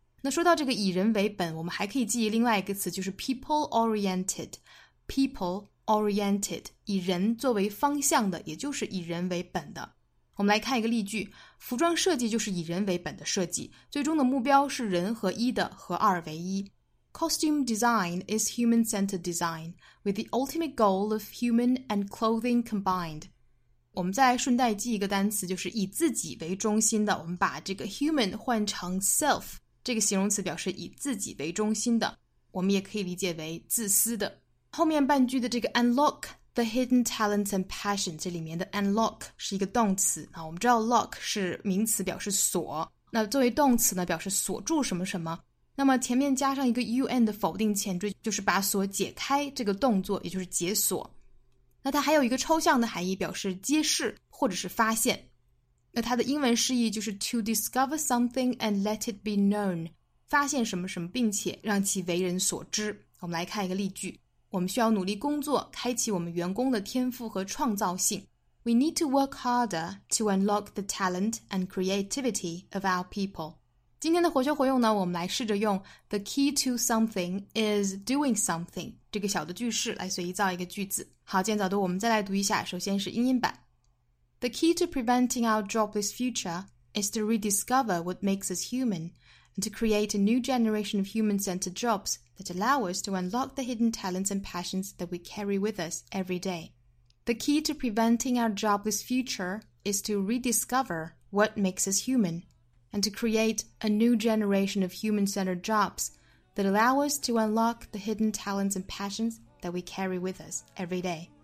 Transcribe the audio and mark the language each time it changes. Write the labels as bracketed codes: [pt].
[zh] 那说到这个以人为本，我们还可以记忆另外一个词，就是 people-oriented， people-oriented 以人作为方向的，也就是以人为本的。我们来看一个例句，服装设计就是以人为本的设计，最终的目标是人和一的合二为一。 [en] Costume design is human-centered design with the ultimate goal of human and clothing combined. [zh] 我们再顺带记一个单词，就是以自己为中心的，我们把这个 human 换成 self， 这个形容词表示以自己为中心的，我们也可以理解为自私的。后面半句的这个 [en] unlock the hidden talents and passion， [zh] 这里面的 unlock 是一个动词，那我们知道 lock 是名词表示锁，那作为动词呢表示锁住什么什么，那么前面加上一个 un 的否定前缀，就是把锁解开这个动作，也就是解锁。那它还有一个抽象的含义，表示揭示或者是发现。那它的英文释义就是 [en] to discover something and let it be known， [zh] 发现什么什么并且让其为人所知。我们来看一个例句，我们需要努力工作，开启我们员工的天赋和创造性。 [en] We need to work harder to unlock the talent and creativity of our people. [zh] 今天的活学活用呢，我们来试着用 [en] the key to something is doing something [zh] 这个小的句式来随意造一个句子。好，今天早读我们再来读一下，首先是英音版。 [en] The key to preventing our jobless future is to rediscover what makes us human and to create a new generation of human-centered jobs that allow us to unlock the hidden talents and passions that we carry with us every day. The key to preventing our jobless future is to rediscover what makes us human and to create a new generation of human-centered jobs that allow us to unlock the hidden talents and passions that we carry with us every day.